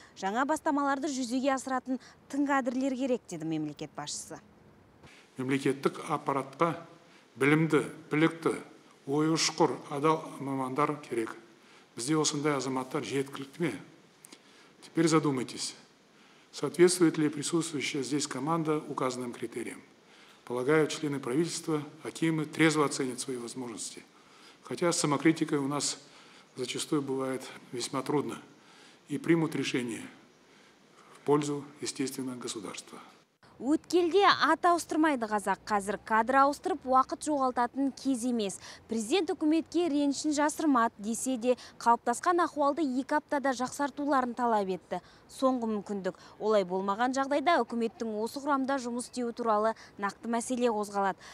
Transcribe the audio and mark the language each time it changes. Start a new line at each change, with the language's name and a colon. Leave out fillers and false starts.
Kazakh: Жаңа бастамаларды жүзеге асыратын тың кадрлер керек, деді мемлекет басшысы. Мемлекеттік аппаратқа білімді, білікті, ой ұшқыр, адал мамандар керек. Бізде осындай азаматтар жеткілікті ме?
Russian: Теперь задумайтесь. Соответствует ли присутствующая здесь команда указанным критериям? Полагаю, члены правительства, акимы трезво оценят свои возможности. Хотя с самокритикой у нас зачастую бывает весьма трудно. И примут решение в пользу, естественно, государства.
Kazakh: Өткелде ат ауыстырмайды қазақ. Қазір кадр ауыстырып, уақыт жоғалтатын кез емес. Президент үкіметке ренішін жасырмады, десе де қалыптасқан ахуалды екі аптада жақсартуларын талап етті. Соңғы мүмкіндік. Олай болмаған жағдайда үкіметтің осы құрамда жұмыс істеуі туралы нақты мәселе қозғалады.